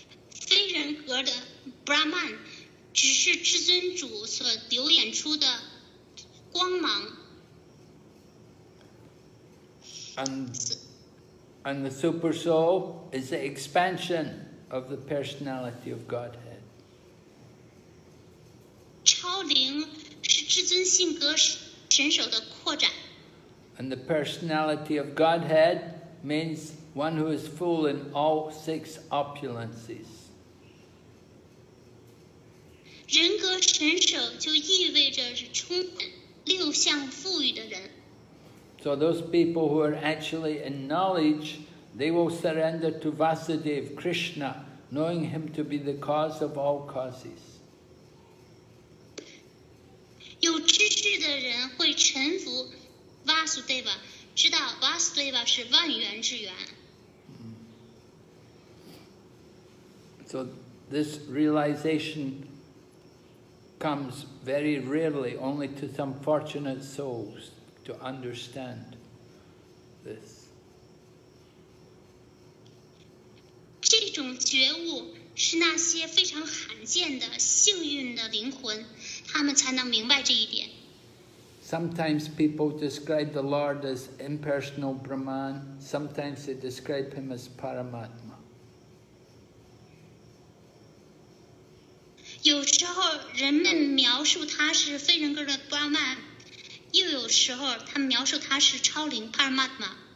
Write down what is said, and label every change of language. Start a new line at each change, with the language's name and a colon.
Chinese: 非人格的 Brahman 只是至尊主所流演出的光芒。
English: And the super soul is the expansion of the personality of Godhead.
Chinese: 超灵是至尊性格神手的扩展。
English: And the personality of Godhead means one who is full in all six opulences.
Chinese: 人格神手就意味着是充满六项富裕的人。
English: So those people who are actually in knowledge, they will surrender to Vasudev Krishna, knowing him to be the cause of all causes.
Chinese: 有知识的人会臣服Vasudeva, 知道 Vasudeva 是万缘之源。
English: So this realization comes very rarely, only to some fortunate souls to understand this.
Chinese: 这种觉悟是那些非常罕见的幸运的灵魂，他们才能明白这一点。
English: Sometimes people describe the Lord as impersonal Brahman, sometimes they describe him as Paramatma.
Chinese: 有时候人们描述他是非人格的 Brahman, 又有时候他们描述他是超灵 Paramatma.